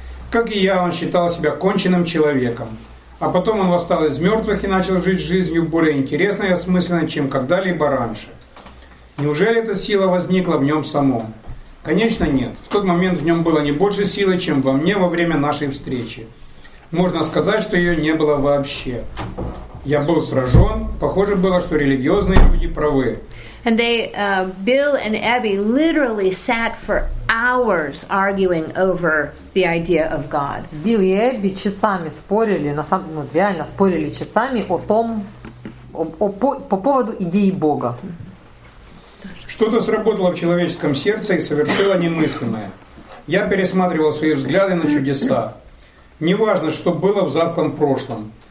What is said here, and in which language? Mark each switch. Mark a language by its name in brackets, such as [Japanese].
[Russian] Как и я, он считал себя конченным человеком. А потом он восстал из мертвых и начал жить жизнью более интересной и осмысленной, чем когда-либо раньше. Неужели эта сила возникла в нем самом? Конечно, нет. В тот момент в нем было не больше силы, чем во мне во время нашей встречи. Можно сказать, что ее не было вообще. Я был сражен. Похоже было, что религиозные люди правы. [English] And they, Bill and Abby literally sat for hours arguing over the idea of God. [Russian] Билл и Эбби часами спорили, реально спорили часами о том, по поводу идеи Бога. Что-то сработало в человеческом сердце и совершило немыслимое. Я пересматривал свои взгляды на чудеса. Неважно, что было в затхлом прошлом.